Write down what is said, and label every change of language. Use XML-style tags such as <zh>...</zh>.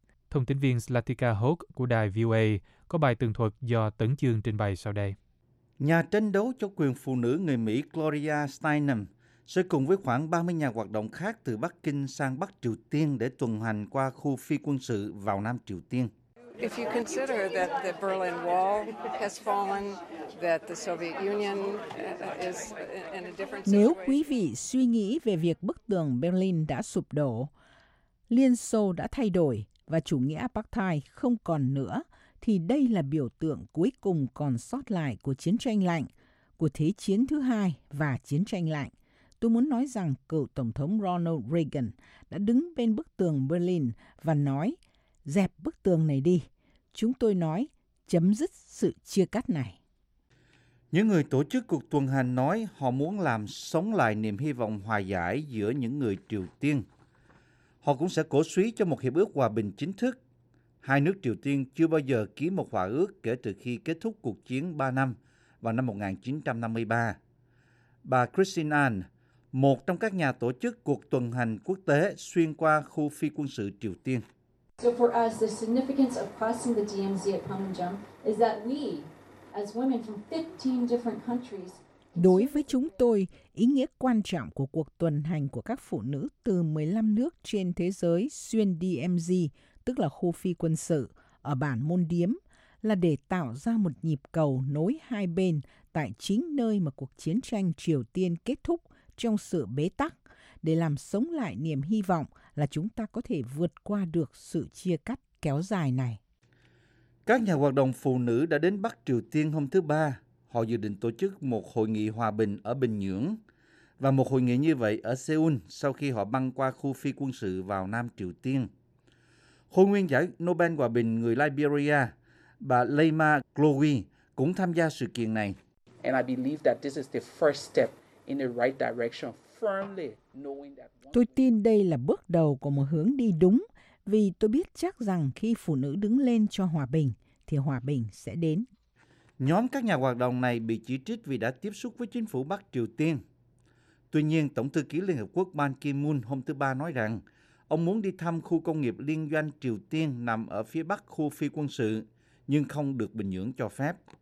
<vi>Thông tin viên Slatika Hoke của đài VOA có bài tường thuật do Tấn Chương trình bày sau đây. Nhà tranh đấu cho quyền phụ nữ người Mỹ Gloria Steinem sẽ cùng với khoảng 30 nhà hoạt động khác từ Bắc Kinh sang Bắc Triều Tiên để tuần hành qua khu phi quân sự vào Nam Triều Tiên.</vi> <en>If you consider that the Berlin Wall has fallen, that the Soviet Union is in a different situation.</en> <vi>Nếu quý vị suy nghĩ về việc bức tường Berlin đã sụp đổ, Liên Xô đã thay đổi và chủ nghĩa apartheid không còn nữa, thì đây là biểu tượng cuối cùng còn sót lại của chiến tranh lạnh, của Thế chiến thứ hai và chiến tranh lạnh. Tôi muốn nói rằng cựu Tổng thống Ronald Reagan đã đứng bên bức tường Berlin và nói, dẹp bức tường này đi. Chúng tôi nói, chấm dứt sự chia cắt này. Những người tổ chức cuộc tuần hành nói họ muốn làm sống lại niềm hy vọng hòa giải giữa những người Triều Tiên. Họ cũng sẽ cổ suý cho một hiệp ước hòa bình chính thức. Hai nước Triều Tiên chưa bao giờ ký một hòa ước kể từ khi kết thúc cuộc chiến 3 năm vào năm 1953. Bà Christine Ahn, một trong các nhà tổ chức cuộc tuần hành quốc tế xuyên qua khu phi quân sự Triều Tiên.</vi> <en>So for us, the significance of crossing the DMZ at Panmunjom is that we, as women from 15 different countries,</en> <vi>đối với chúng tôi, ý nghĩa quan trọng của cuộc tuần hành của các phụ nữ từ 15 nước trên thế giới xuyên DMZ, tức là khu phi quân sự, ở bản Môn Điếm, là để tạo ra một nhịp cầu nối hai bên tại chính nơi mà cuộc chiến tranh Triều Tiên kết thúc trong sự bế tắc, để làm sống lại niềm hy vọng là chúng ta có thể vượt qua được sự chia cắt kéo dài này. Các nhà hoạt động phụ nữ đã đến Bắc Triều Tiên hôm thứ Ba. Họ dự định tổ chức một hội nghị hòa bình ở Bình Nhưỡng và một hội nghị như vậy ở Seoul sau khi họ băng qua khu phi quân sự vào Nam Triều Tiên. Hội nguyên giải Nobel Hòa bình người Liberia, bà Leima Glowy, cũng tham gia sự kiện này.</vi> <en>And I believe that this is the first step in the right direction, firmly knowing that.</en> <vi>Tôi tin đây là bước đầu của một hướng đi đúng, vì tôi biết chắc rằng khi phụ nữ đứng lên cho hòa bình, thì hòa bình sẽ đến. Nhóm các nhà hoạt động này bị chỉ trích vì đã tiếp xúc với chính phủ Bắc Triều Tiên. Tuy nhiên, Tổng thư ký Liên Hợp Quốc Ban Ki-moon hôm thứ Ba nói rằng ông muốn đi thăm khu công nghiệp liên doanh Triều Tiên nằm ở phía bắc khu phi quân sự, nhưng không được Bình Nhưỡng cho phép.</vi>